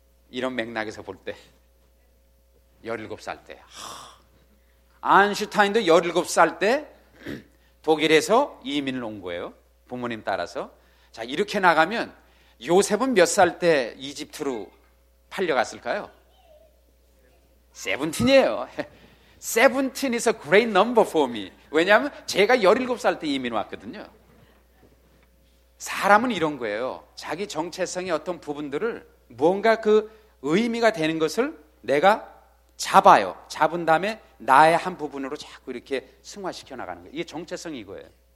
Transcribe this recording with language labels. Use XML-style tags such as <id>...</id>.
<ko>이런 맥락에서 볼 때 17살 때. 아인슈타인도 17살 때 독일에서 이민을 온 거예요, 부모님 따라서. 자, 이렇게 나가면 요셉은 몇 살 때 이집트로 팔려갔을까요? 17이에요</ko> <en>17 is a great number for me.</en> <ko>왜냐하면 제가 17살 때 이민 왔거든요. 사람은 이런 거예요. 자기 정체성의 어떤 부분들을 뭔가 그 의미가 되는 것을 내가 잡아요. 잡은 다음에 나의 한 부분으로 자꾸 이렇게 승화시켜 나가는 거예요. 이게 정체성이 이거예요.</ko>